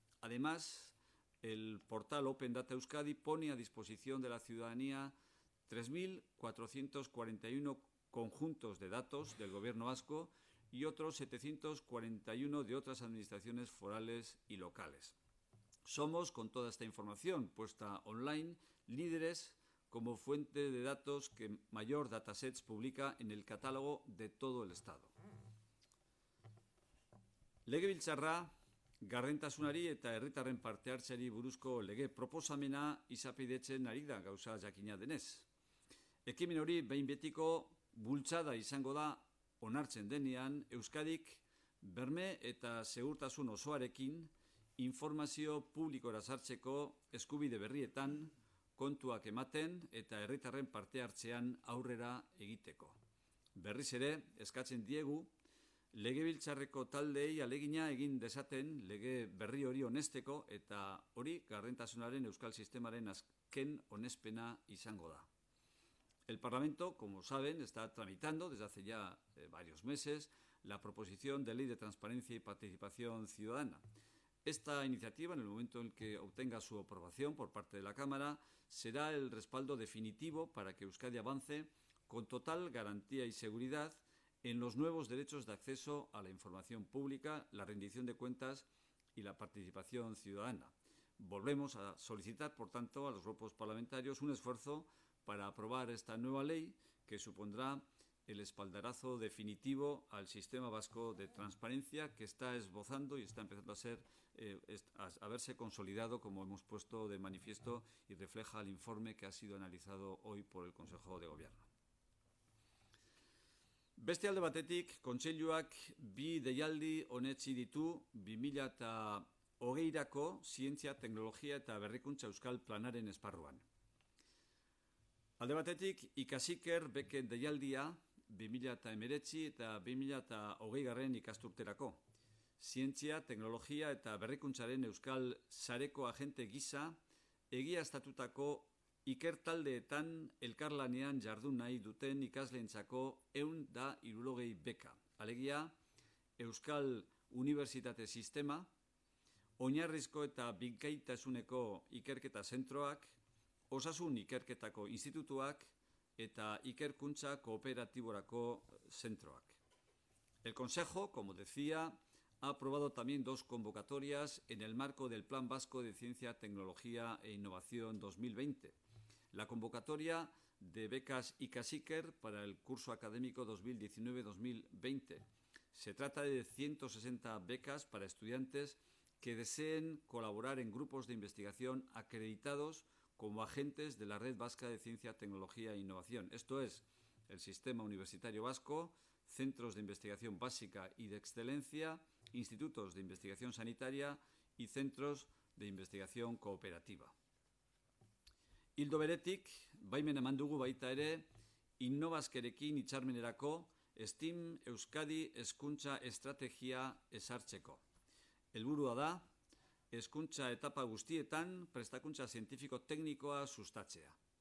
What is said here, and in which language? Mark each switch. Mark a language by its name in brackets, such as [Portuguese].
[Spanish] Además, el portal Open Data Euskadi pone a disposición de la ciudadanía 3.441 conjuntos de datos del Gobierno Vasco y otros 741 de otras administraciones forales y locales. Somos, con toda esta información puesta online, líderes como fuente de datos que mayor datasets publica en el catálogo de todo el Estado. [Basque] Legebiltzarra, gardentasunari eta herritarren parte hartzeari buruzko lege proposamena izapidetzen ari da, gauza jakina denez. Ekimen hori behin betiko bultzada izango da onartzen denean, Euskadik berme eta segurtasun osoarekin informazio publikora sartzeko eskubide berrietan, kontuak ematen eta herritarren parte hartzean aurrera egiteko. Berriz ere, eskatzen diegu, legebiltzarreko taldeei alegina egin dezaten lege berri hori onesteko, eta hori gardentasunaren euskal sistemaren azken onespena izango da. [Spanish] El Parlamento, como saben, está tramitando desde hace ya varios meses la proposición de ley de transparencia y participación ciudadana. Esta iniciativa, en el momento en que obtenga su aprobación por parte de la Cámara, será el respaldo definitivo para que Euskadi avance con total garantía y seguridad en los nuevos derechos de acceso a la información pública, la rendición de cuentas y la participación ciudadana. Volvemos a solicitar, por tanto, a los grupos parlamentarios un esfuerzo para aprobar esta nueva ley que supondrá el espaldarazo definitivo al sistema vasco de transparencia que está esbozando y está empezando a ser a verse consolidado, como hemos puesto de manifiesto y refleja el informe que ha sido analizado hoy por el Consejo de Gobierno. [Basque] Beste alde batetik, kontseiluak bi deialdi onetsi ditu 2020-ko zientzia, teknologia eta berrikuntza euskal planaren esparruan. Alde batetik, ikasiker beken deialdia 2019 eta 2020-garren ikasturterako. Zientzia, teknologia eta berrikuntzaren euskal sareko agente gisa egiaztatutako ikertaldeetan elkarlanean jardun nahi duten ikasleentzako 160 beka. Alegia, Euskal Unibertsitate Sistema, oinarrizko eta bikaitasuneko ikerketa zentroak, Osasun Ikerketako Institutuak eta Ikerkuntza Kooperatiborako Zentroak. [Spanish] El Consejo, como decía, ha aprobado también dos convocatorias en el marco del Plan Vasco de Ciencia, Tecnología e Innovación 2020. La convocatoria de becas ICASIKER para el curso académico 2019-2020. Se trata de 160 becas para estudiantes que deseen colaborar en grupos de investigación acreditados como agentes de la Red Vasca de Ciencia, Tecnología e Innovación. Esto es, el Sistema Universitario Vasco, Centros de Investigación Básica y de Excelencia, Institutos de Investigación Sanitaria y Centros de Investigación Cooperativa. [Basque] Hildo beretik, baimen eman dugu baita ere, Innobaskerekin hitzarmenerako STEAM Euskadi Hezkuntza Estrategia ezartzeko. Helburua da, hezkuntza etapa guztietan prestakuntza zientifiko-teknikoa sustatzea.